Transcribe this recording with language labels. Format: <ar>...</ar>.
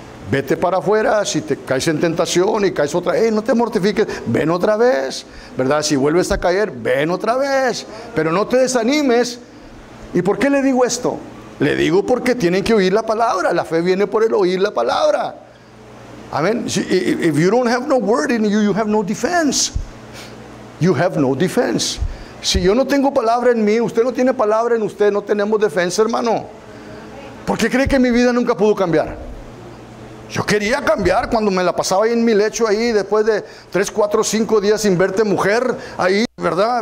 <es>Vete para afuera, si te caes en tentación y caes otra vez, no te mortifiques, ven otra vez, ¿verdad? Si vuelves a caer, ven otra vez, pero no te desanimes. ¿Y por qué le digo esto? Le digo porque tienen que oír la palabra, la fe viene por el oír la palabra. Amén.</es> <en>If you don't have no word in you, you have no defense. You have no defense.</en> <es>Si yo no tengo palabra en mí, usted no tiene palabra en usted, no tenemos defensa, hermano. ¿Por qué cree que mi vida nunca pudo cambiar? Yo quería cambiar cuando me la pasaba ahí en mi lecho ahí después de 3, 4, 5 días sin verte mujer ahí, ¿verdad?</es>